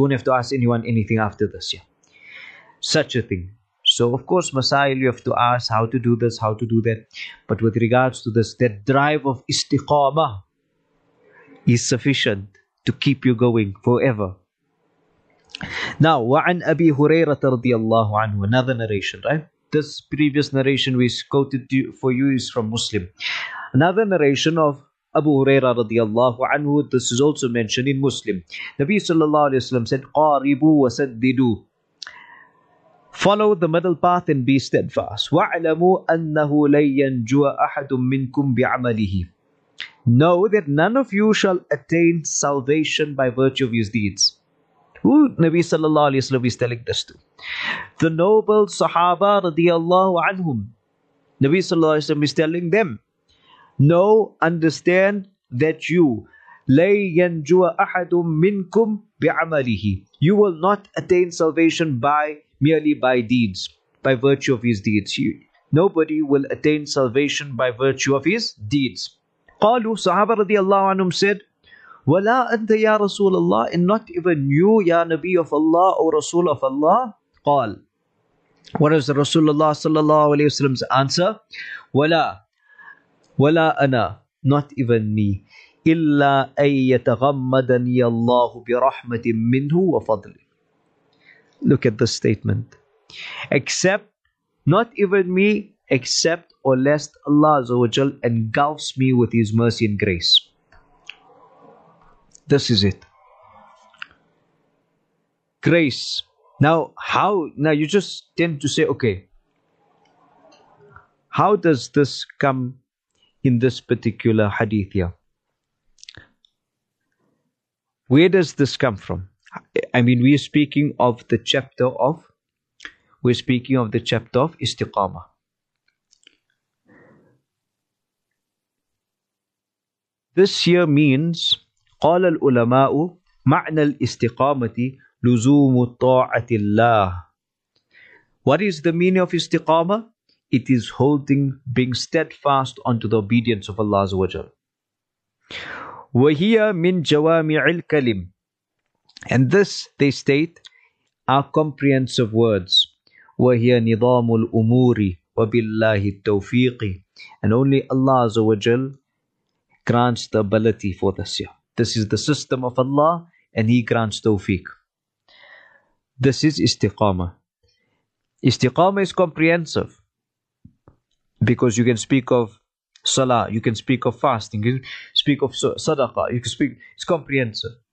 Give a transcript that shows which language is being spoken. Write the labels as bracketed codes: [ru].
[en] You won't have to ask anyone anything after this. Yeah. Such a thing. So, of course, masail, you have to ask how to do this, how to do that. But with regards to this, that drive of istiqamah is sufficient to keep you going forever. [ar] Now, وَعَنْ أَبِي هُرَيْرَةَ رَضِيَ اللَّهُ عَنْهُ. [en] Another narration, right? This previous narration we quoted for you is from Muslim. Another narration of Abu Huraira radiallahu anhu. This is also mentioned in Muslim. Nabi sallallahu alayhi wa sallam said, [ar] قَارِبُوا وَسَدِّدُوا. [en] Follow the middle path and be steadfast. [ar] وَعْلَمُوا أَنَّهُ لَيَّنْجُوَ أَحَدٌ مِّنْكُمْ بِعْمَلِهِ. [en] Know that none of you shall attain salvation by virtue of his deeds. Who Nabi sallallahu alayhi wa sallam is telling this to? The noble Sahaba radiallahu anhum. Nabi sallallahu alayhi wa sallam is telling them, know, understand that you, [ar] لَيَّنْجُوَ أَحَدٌ مِّنْكُمْ بِعْمَلِهِ. [en] You will not attain salvation merely by deeds, by virtue of his deeds. Nobody will attain salvation by virtue of his deeds. [ar] قَالُوا [en] Sahaba radiallahu anhum said, [ar] وَلَا أَنْتَ يَا رَسُولَ اللَّهِ. [en] And not even you, ya Nabi of Allah or Rasul of Allah. [ar] قَال. [en] What is the Rasulullah sallallahu alayhi wa sallam's answer? [ar] وَلَا أَنَا. [en] Not even me. [ar] إِلَّا أَن يَتَغَمَّدَنِيَ اللَّهُ بِرَحْمَةٍ مِّنْهُ وَفَضْلٍ. [en] Look at this statement. Except, not even me, except or lest Allah Azza wa Jal engulfs me with his mercy and grace. This is it. Grace. Now you just tend to say, okay, how does this come in this particular hadith here? Where does this come from? I mean, we're speaking of the chapter of istiqamah. This here means, [ar] قال العلماء معنى الاستقامة لزوم طاعة الله. [en] What is the meaning of istiqamah? It is holding, being steadfast unto the obedience of Allah Azza wa Jal. [ar] وهي من جوامع الكلم. [en] And this, they state, are comprehensive words. [ar] وهي نظام الأمور وبالله التوفيق. [en] And only Allah Azza wa Jal grants the ability for this year. This is the system of Allah, and he grants tawfiq. This is istiqamah. Istiqamah is comprehensive, because you can speak of salah, you can speak of fasting, you can speak of sadaqah, you can speak, it's comprehensive.